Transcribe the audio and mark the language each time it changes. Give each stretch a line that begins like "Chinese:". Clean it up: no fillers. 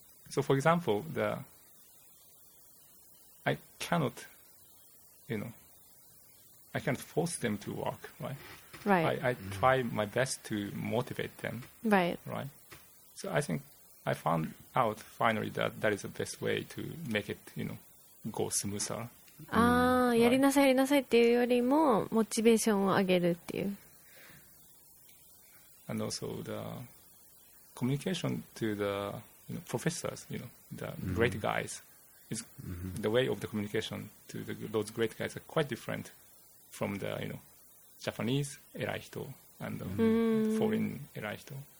English: So, for example, the I cannot, you know, I can't force them to work, right? Right. I try my best to motivate them. Right. Right. So I think I found out finally that that is the best way to make it, you know, go smoother.
Japanese: Ah, やりなさいやりなさいっていうよりもモチベーションを上げるっていう。
English: And also the communication to the, you know, professors, you know, the great guys, is the way of the communication to the, those great guys are quite different from the, you know, Japanese 偉い人 and the foreign 偉い人.